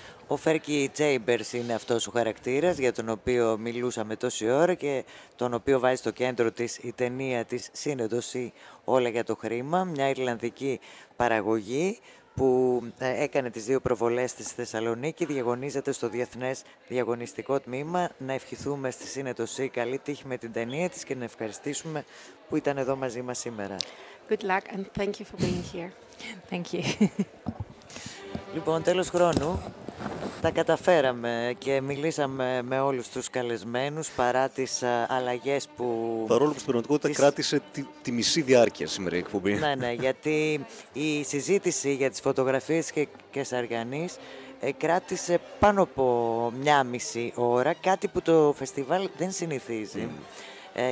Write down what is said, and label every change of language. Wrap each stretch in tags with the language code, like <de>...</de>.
<el>Ο Φέρκι Τσέιμπερς είναι αυτός ο χαρακτήρας για τον οποίο μιλούσαμε τόση ώρα και τον οποίο βάζει στο κέντρο της η ταινία της Σύνοδος ή Όλα για το Χρήμα, μια Ιρλανδική παραγωγή που έκανε τις δύο προβολές της στη Θεσσαλονίκη, διαγωνίζεται στο Διεθνές Διαγωνιστικό Τμήμα. Να ευχηθούμε στη Σύνετοση καλή τύχη με την ταινία της και να ευχαριστήσουμε που ήταν εδώ μαζί μας σήμερα.</el> <en>Good luck and thank you for being here. Thank you.</en> <el>Λοιπόν, τέλος χρόνου, τα καταφέραμε και μιλήσαμε με όλους τους καλεσμένους παρά τις αλλαγές που... Παρόλο που στην πραγματικότητα κράτησε τη μισή διάρκεια σήμερα η εκπομπή. Ναι, ναι, γιατί η συζήτηση για τις φωτογραφίες και Κεσαριανής κράτησε πάνω από μια μισή ώρα, κάτι που το φεστιβάλ δεν συνηθίζει. Mm.</el>